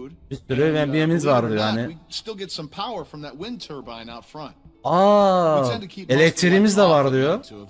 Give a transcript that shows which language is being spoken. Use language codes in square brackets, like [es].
[tr] Bir sürü yemeğimiz var yani. [en] Still get some power from that wind turbine out front. [tr] Aa, elektriğimiz de var diyor.